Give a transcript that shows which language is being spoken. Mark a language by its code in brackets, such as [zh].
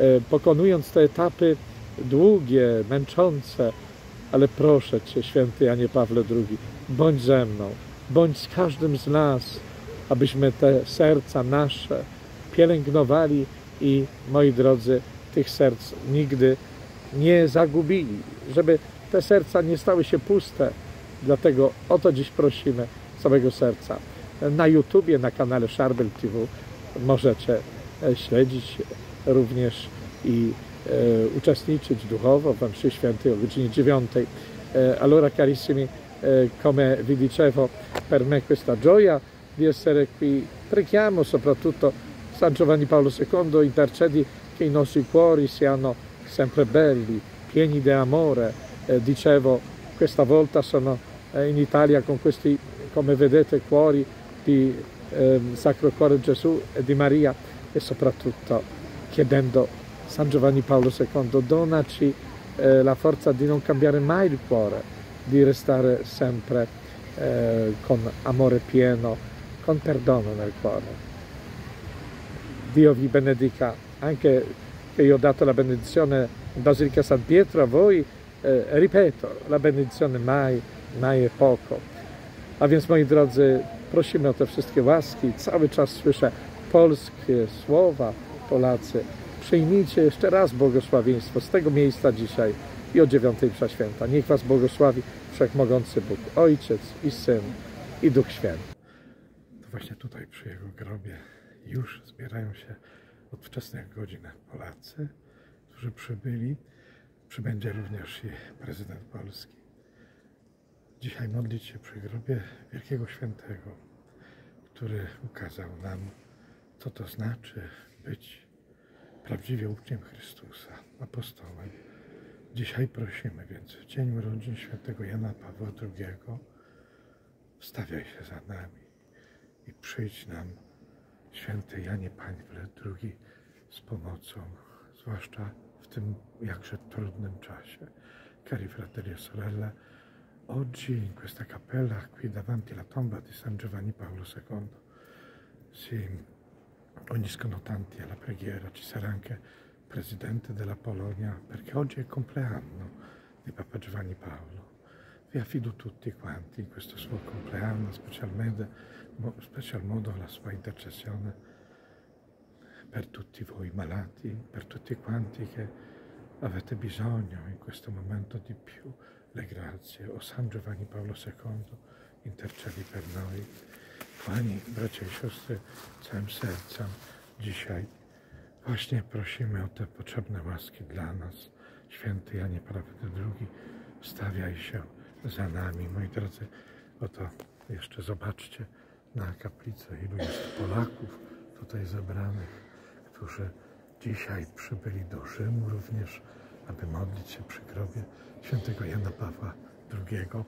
[pl] pokonując te etapy długie, męczące, ale proszę Cię, święty Janie Pawle II, bądź ze mną, bądź z każdym z nas, abyśmy te serca nasze pielęgnowali i, moi drodzy, tych serc nigdy nie zagubili, żeby te serca nie stały się puste. Dlatego o to dziś prosimy z całego serca. Na YouTubie, na kanale Szarbel TV możecie śledzić również i uczestniczyć duchowo w mszy świętej o godzinie 9:00. [it] Allora carissimi, come vi dicevo, per me questa gioia di essere qui. Preghiamo soprattutto San Giovanni Paolo II, intercedi che i nostri cuori siano sempre belli, pieni di amore. Dicevo, questa volta sono in Italia con questi, come vedete, cuori di Sacro Cuore Gesù e di Maria, e soprattutto chiedendo San Giovanni Paolo II, donaci la forza di non cambiare mai il cuore, di restare sempre con amore pieno, con perdono nel cuore. Dio vi benedica, anche che io ho dato la benedizione in Basilica San Pietro a voi, ripeto, la benedizione mai, mai è poco. [pl] A więc, moi drodzy, prosimy o te wszystkie łaski. Cały czas słyszę polskie słowa, Polacy. Przyjmijcie jeszcze raz błogosławieństwo z tego miejsca dzisiaj i o 9:00 msza święta. Niech Was błogosławi Wszechmogący Bóg, Ojciec i Syn i Duch Święty. To właśnie tutaj przy Jego grobie już zbierają się od wczesnych godzin Polacy, którzy przybyli. Przybędzie również i prezydent Polski. Dzisiaj modlić się przy grobie wielkiego świętego, który ukazał nam, co to znaczy być prawdziwie uczniem Chrystusa, apostołem. Dzisiaj prosimy więc w dzień urodzin świętego Jana Pawła II, wstawiaj się za nami i przyjdź nam, święty Janie Pawle II, z pomocą, zwłaszcza w tym jakże trudnym czasie. [it] Cari fratelli e sorelle, oggi in questa cappella qui davanti alla tomba di San Giovanni Paolo II si uniscono tanti alla preghiera. Ci sarà anche presidente della Polonia, perché oggi è il compleanno di Papa Giovanni Paolo. Vi affido tutti quanti in questo suo compleanno, specialmente in special modo alla sua intercessione per tutti voi malati, per tutti quanti che avete bisogno in questo momento di più le grazie. O San Giovanni Paolo II, intercedi per noi. [pl] Kochani bracia i siostry, całym sercem dzisiaj właśnie prosimy o te potrzebne łaski dla nas. Święty Janie Paweł II, stawiaj się za nami. Moi drodzy, oto jeszcze zobaczcie na kaplicę, ilu jest Polaków tutaj zebranych, którzy dzisiaj przybyli do Rzymu również, aby modlić się przy grobie świętego Jana Pawła II.